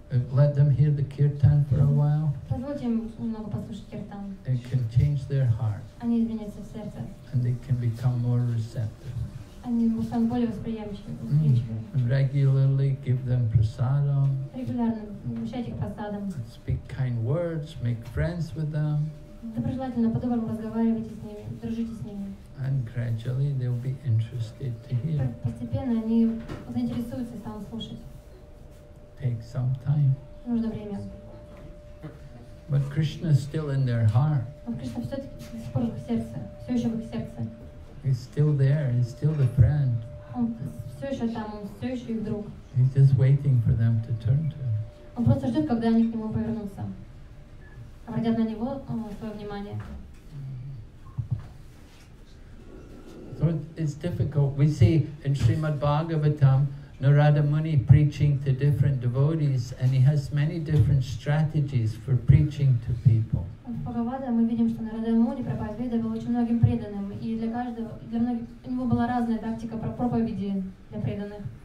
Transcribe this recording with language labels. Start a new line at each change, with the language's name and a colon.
English: Let them hear the kirtan for a while.
Russian: Позвольте им немного послушать киртан.
English: It can change their heart.
Russian: Они изменятся в сердце.
English: And they can become more receptive.
Russian: Они станут более восприимчивыми.
English: Regularly give them prasadam.
Russian: Регулярно вручать их прасадам.
English: Speak kind words, make friends with them.
Russian: Доброжелательно, по-доброму разговаривайте с ними, дружите с ними.
English: And gradually they will be interested to hear.
Russian: Постепенно они заинтересуются и станут слушать.
English: Take some time.
Russian: Нужно время.
English: But Krishna is still in their heart.
Russian: Кришна все-таки до сих пор в сердце, все еще в их сердце.
English: He's still there. He's still the friend.
Russian: Он все еще там, он все еще их друг.
English: He's just waiting for them to turn to him.
Russian: Он просто ждет, когда они к нему повернутся, обратят на него свое внимание.
English: So it's difficult. We see in Srimad Bhagavatam. Narada Muni preaching to different devotees, and he has many different strategies for preaching to people.
Russian: В Бхагавате мы видим, что Нарада Муни проповедовал очень многим преданным, и для каждого, для многих, у него была разная тактика проповеди для преданных.